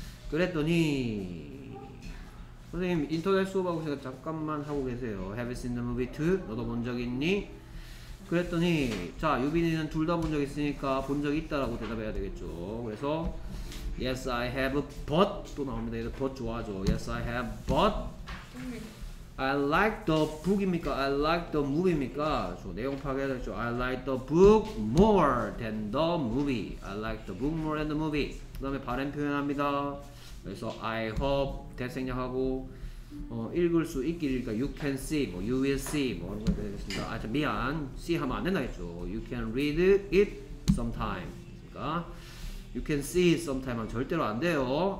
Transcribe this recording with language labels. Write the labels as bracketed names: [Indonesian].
[Korean] 그랬더니 선생님 인터넷 수업하고 제가 잠깐만 하고 계세요. [English] Have you seen the movie too? [Korean] 너도 본 적 있니? 그랬더니 자 유빈이는 둘 다 본 적 있으니까 본 적 있다라고 대답해야 되겠죠. 그래서 [English] Yes I have but [Korean] 또 나옵니다. 얘도 but 좋아하죠. [English] Yes I have but I like the book입니까? I like the movie입니까? [Korean] 저 내용 파괴해야 되겠죠. [English] I like the book more than the movie. I like the book more than the movie. [Korean] 그 다음에 바램 표현합니다. 그래서 I hope 대생략하고 읽을 수 있기를까 [English] You can see [Korean] 뭐 [English] You will see [Korean] 뭐 이런 거 되겠습니다. 아 미안 [English] see [Korean] 하면 안 된다겠죠. [English] You can read it sometime 그러니까 You can see it sometime [Korean] 하면 절대로 안 돼요.